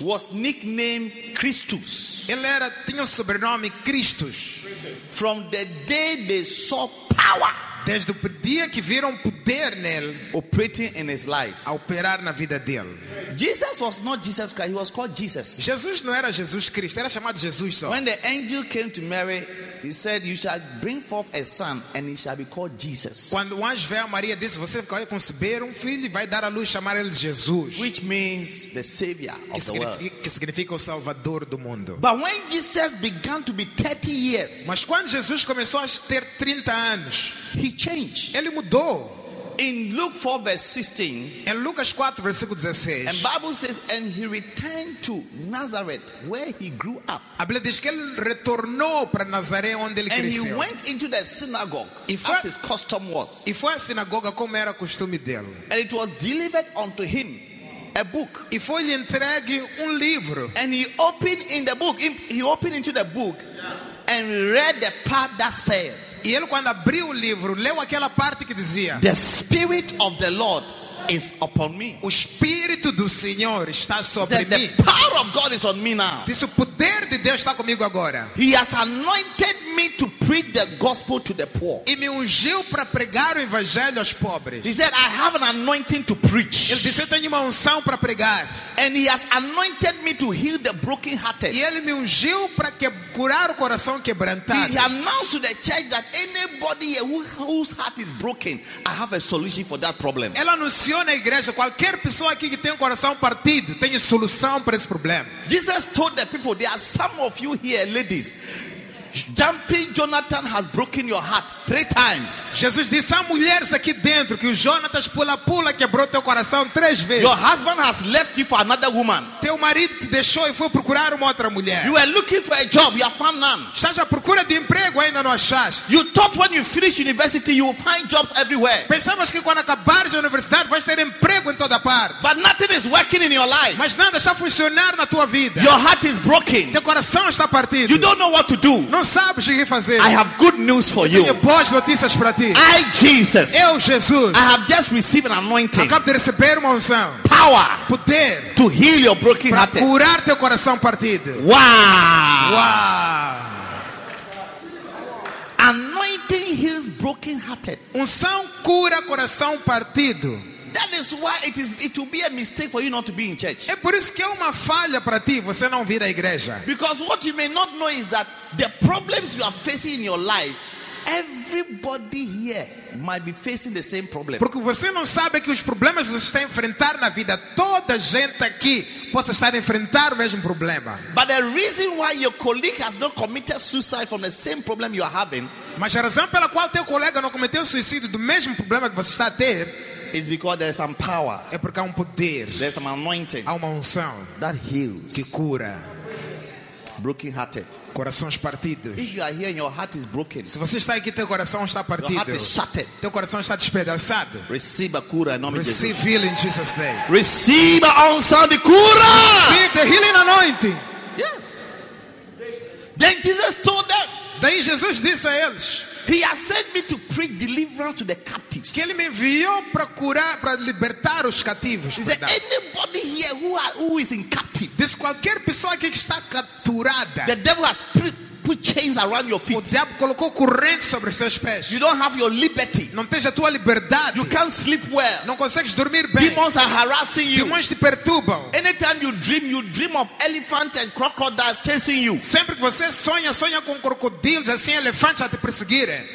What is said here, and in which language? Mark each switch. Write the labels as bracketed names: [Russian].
[English] was nicknamed Christus. [Portuguese] Ele era, tinha o sobrenome Christus. [English] From the day they saw power, [Portuguese] desde o dia que viram poder nele [English] operating in his life, [Portuguese] a operar na vida dele. [English] Jesus was not Jesus Christ, he was called Jesus. [Portuguese] Jesus não era Jesus Cristo, era chamado Jesus só. [English] When the angel came to Mary, he said, "You shall bring forth a son and he shall be called Jesus." [Portuguese] Quando o anjo veio a Maria, disse, você vai conceber um filho e vai dar à luz, chamar ele Jesus. [English] Which means the savior of the world. [Portuguese] Que significa o salvador do mundo. [English] But when Jesus began to be 30 years, [Portuguese] mas quando Jesus começou a ter 30 anos, [English] he changed. [Portuguese] Ele mudou. [English] In Luke 4, verse 16, [Portuguese] em Lucas 4, versículo 16, [English] and Bible says, and he returned to Nazareth where he grew up. [Portuguese] A Bíblia diz que ele retornou para Nazaré onde ele [English] and [Portuguese] cresceu. [English] And he went into the synagogue as his custom was. [Portuguese] E foi à sinagoga como era costume dele. [English] And it was delivered unto him a book. [Portuguese] E foi-lhe entregue livro. [English] And he opened in the book. He opened into the book and read the part that said. [Portuguese] E ele quando abriu livro, leu aquela parte que dizia: [English] the spirit of the Lord is upon me. [Portuguese] O espírito do Senhor está sobre [English] the [Portuguese] mim. [English] The power of God is on me now. [Portuguese] Diz, o poder de Deus está comigo agora. [English] He has anointed me to preach the gospel to the poor. [Portuguese] E me ungiu para pregar o evangelho aos pobres. [English] He said, I have an anointing to preach. [Portuguese] Ele disse, eu tenho uma unção para pregar. [English] And he has anointed me to heal the brokenhearted. [Portuguese] E ele me ungiu para curar o coração quebrantado. [English] He announced to the church that anybody whose heart is broken, I have a solution for that problem. [Portuguese] Ela anunciou na igreja, qualquer pessoa aqui que tem um coração partido, tem solução para esse problema. [English] Jesus told the people, there are some of you here, ladies, Jumping Jonathan has broken your heart 3 times. [Portuguese] Jesus disse, há mulheres aqui dentro que o Jonathan pula, quebrou teu coração 3 vezes. [English] Your husband has left you for another woman. [Portuguese] Teu marido te deixou e foi procurar uma outra mulher. [English] You are looking for a job, you have found none. [Portuguese] Estás à procura de emprego, ainda não achaste. [English] You thought when you finish university you will find jobs everywhere. [Portuguese] Pensavas que quando acabares a universidade vais ter emprego em toda parte. [English] But nothing is working in your life. [Portuguese] Mas nada está a funcionar na tua vida. [English] Your heart is broken. [Portuguese] Teu coração está partido. [English] You don't know what to do. [Portuguese] Não sabes o que fazer. [English] I have good news for you. [Portuguese] Tenho boas notícias para ti. [English] I, Jesus. [Portuguese] Eu, Jesus. [English] I have just received an anointing. [Portuguese] Acabo de receber uma unção. [English] Power. [Portuguese] Poder. [English] To heal your broken heart. [Portuguese] Para curar teu coração partido. Wow. Wow. [English] Anointing heals broken hearted. [Portuguese] Unção cura coração partido. [English] That is why it will be a mistake for you not to be in church. [Portuguese] É por isso que é uma falha para ti você não vir à igreja. [English] Because what you may not know is that the problems you are facing in your life, everybody here might be facing the same problem. [Portuguese] Porque você não sabe que os problemas você está a enfrentar na vida, toda gente aqui possa estar a enfrentar o mesmo problema. [English] But the reason why your colleague has not committed suicide from the same problem you are having, [Portuguese] mas a razão pela qual teu colega não cometeu suicídio do mesmo problema que você está a ter, [English] is because there is some power. [Portuguese] É porque há poder. [English] There is some anointing. [Portuguese] Há uma unção [English] that heals. [Portuguese] Que cura. [English] Broken hearted. [Portuguese] Corações partidos. [English] If you are here and your heart is broken. [Portuguese] Se você está aqui, teu coração está partido. [English] Your heart is shattered. [Portuguese] Teu coração está despedaçado. [English] Receive [Portuguese] a cura em nome de Jesus. [English] Receive healing in Jesus' name. Receive [Portuguese] a unção de cura. [English] Receive the healing anointing. Yes. Then Jesus told them. [Portuguese] Daí Jesus disse a eles. [English] He has sent me to preach deliverance to the captives. [Portuguese] Que ele me enviou para curar, para libertar os cativos. [English] Is there anybody here who is in captive? [Portuguese] Diz, qualquer pessoa aqui que está capturada. [English] The devil has put chains around your feet. [Portuguese] O diabo colocou correntes sobre seus pés. [English] You don't have your liberty. [Portuguese] Não tens a tua liberdade. [English] You can't sleep well. [Portuguese] Não consegues dormir bem. [English] Demons are harassing you. Demons [Portuguese] te perturbam. [English] Anytime you dream of elephants and crocodiles chasing you. [Portuguese] Sempre que você sonha com crocodilos assim, elefantes a te perseguirem.